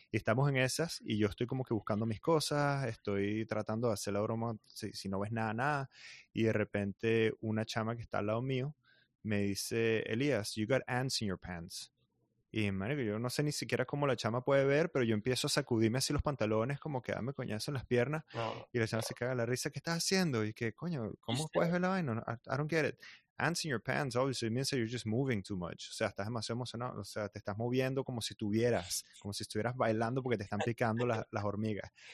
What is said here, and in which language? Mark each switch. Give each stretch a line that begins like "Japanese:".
Spanish: Y estamos en esas, y yo estoy como que buscando mis cosas, estoy tratando de hacer la broma, si no ves nada, y de repente una chama que está al lado mío me dice: Elías,
English: you got ants in your pants.
Spanish: Y, marico, yo no sé ni siquiera cómo la chama puede ver, pero yo empiezo a sacudirme así los pantalones, como que dame coñazo en las piernas, y la chama se caga la risa, ¿qué estás haciendo? Y que, coño, ¿cómo puedes ver la vaina?
English: I don't get it. Ants in your pants, obviously, it means that you're just moving too much.
Spanish: O sea, estás demasiado emocionado. O sea, te estás moviendo como si estuvieras bailando porque te están picando las hormigas.